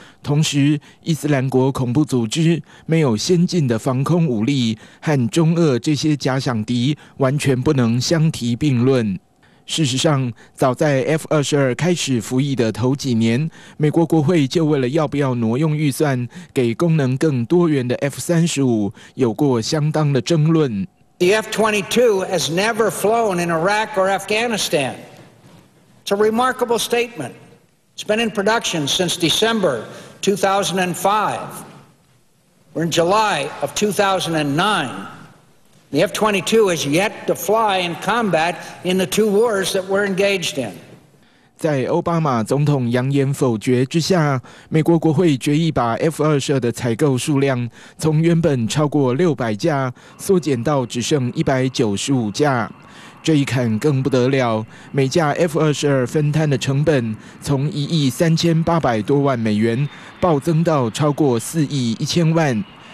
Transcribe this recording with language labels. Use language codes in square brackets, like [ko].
[zh] 同时，伊斯兰国恐怖组织没有先进的防空武力，和中俄这些假想敌完全不能相提并论。事实上，早在 F-22 开始服役的头几年，美国国会就为了要不要挪用预算给功能更多元的 F-35 有过相当的争论。 [en] The F-22 has never flown in Iraq or Afghanistan. It's a remarkable statement. It's been in production since December 2005. We're in July of 2009. The F-22 has yet to fly in combat in the two wars that we're engaged in. [zh] 在奥巴马总统扬言否决之下，美国国会决议把 F-22 的采购数量从原本超过600架缩减到只剩195架。这一砍更不得了，每架 F-22 分摊的成本从1.38亿美元暴增到超过4.1亿。